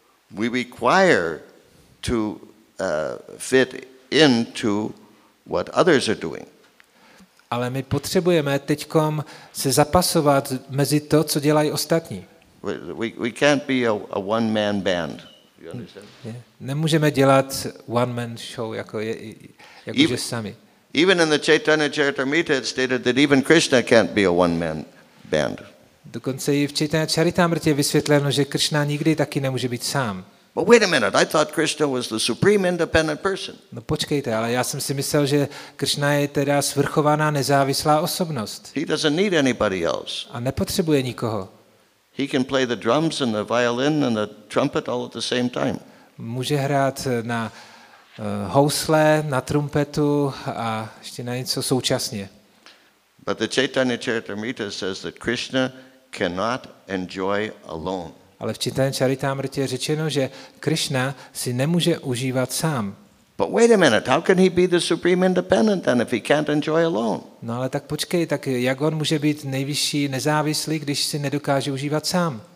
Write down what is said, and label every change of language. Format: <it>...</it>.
<en>we require to fit into what others are doing.</en> <cs>Ale my potřebujeme teďkom se zapasovat mezi to, co dělají ostatní.</cs> <en>We can't be a one man band. You understand?</en> <cs>Nemůžeme dělat one man show jako že sami.</cs> <en>Even in the Chaitanya Charitamrita it stated that even Krishna can't be a one man band.</en> <cs>Dokonce i v Chaitanya Charitamrita je vysvětleno, že Krishna nikdy taky nemůže být sám.</cs> <en>But wait a minute, I thought Krishna was the supreme independent person.</en> <cs>No počkejte, ale já jsem si myslel, že Krishna je teda svrchovaná nezávislá osobnost.</cs> <en>He doesn't need anybody else.</en> <cs>A nepotřebuje nikoho.</cs> <en>He can play the drums and the violin and the trumpet all at the same time.</en> <cs>Může hrát na housle, na trumpetu a ještě na něco současně.</cs> <en>But the Chaitanya Charitamrita says that Krishna cannot enjoy alone.</en> <cs>Ale v Chaitanya Charitamrita je řečeno, že Krishna si nemůže užívat sám.</cs> <en>But wait a minute, how can he be the supreme independent then if he can't enjoy alone?</en> <cs>No ale tak počkej, tak jak on může být nejvyšší nezávislý, když si nedokáže užívat sám?</cs>